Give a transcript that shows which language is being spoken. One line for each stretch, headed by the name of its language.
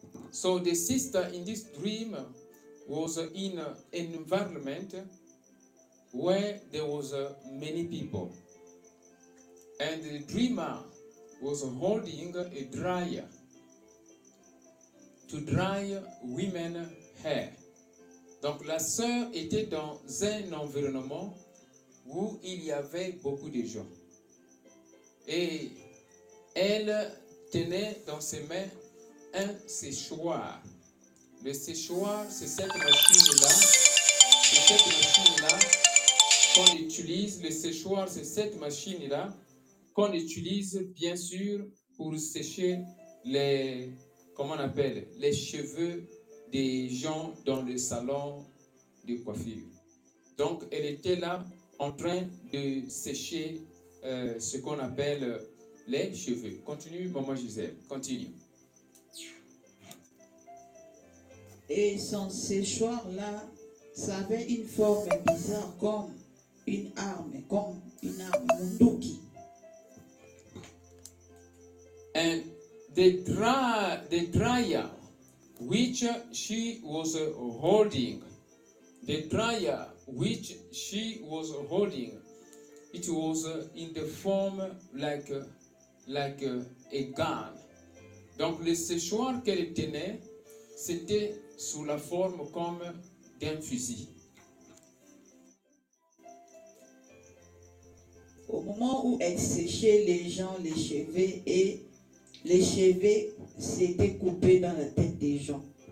English: So the sister in this dream was in an environment where there was many people. And the dreamer was holding a dryer to dry women's hair.
French: Donc la sœur était dans un environnement où il y avait beaucoup de gens. Et elle tenait dans ses mains un séchoir. Le séchoir, c'est cette machine-là. C'est cette machine-là qu'on utilise. Le séchoir, c'est cette machine-là qu'on utilise, bien sûr, pour sécher les, comment on appelle, les cheveux des gens dans le salon de coiffure. Donc, elle était là en train de sécher ce qu'on appelle les cheveux. Continue, Maman Gisèle, continue. Et son séchoir-là, ça avait une forme bizarre, comme une arme, mundoki.
English: And the dryer which she was holding, it was in the form like a gun.
French: Donc le séchoir qu'elle tenait, c'était sous la forme comme d'un fusil. Au moment où elle séchait les gens, les cheveux s'étaient coupés dans la tête des gens.